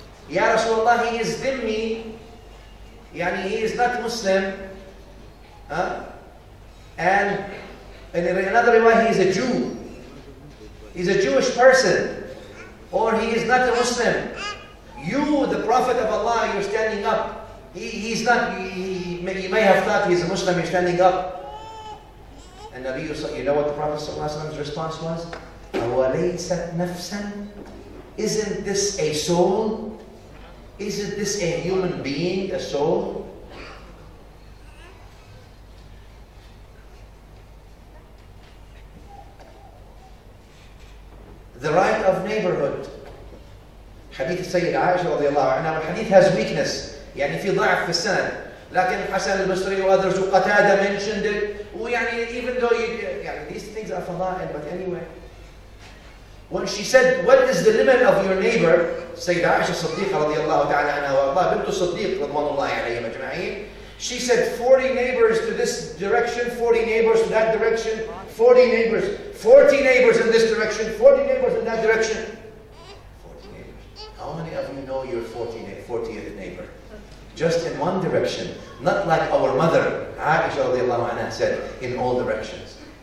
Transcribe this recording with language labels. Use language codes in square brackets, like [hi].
[ar] يَا رَسُولَ اللَّهِ, [en] he is [ar] ذِمِّي. يعني [en] he is not Muslim. And in another way, he is a Jew. He's a Jewish person. Or he is not a Muslim. You, the Prophet of Allah, you're standing up. He may have thought he's a Muslim, you're standing up. And Nabi, you know what the Prophet's response was? [ar] أَوَلَيْسَتْ نَفْسًا? [en] Isn't this a soul? Isn't this a human being, a soul? The right of neighborhood. Hadith Sayyid Aisha radiallahu anha, hadith has weakness. [ar] يعني في ضعف في السند. لكن حسن البصري وأدرس قتادة [en] mentioned it. [ar] ويعني [en] even though these things are fadail, but anyway. When she said, what is the limit of your neighbor? [ar] سيدة عائشة الصديقة رضي الله تعالى عنها وأرضاها بنت الصديق رضوان الله عليهم أجمعين. [en] She said 40 neighbors to this direction, 40 neighbors to that direction, 40 neighbors, 40 neighbors in this direction, 40 neighbors in that direction. 40 neighbors. How many of you know your 40th neighbor? Just in one direction. Not like our mother, Aisha radiallahu anha, said, in all directions.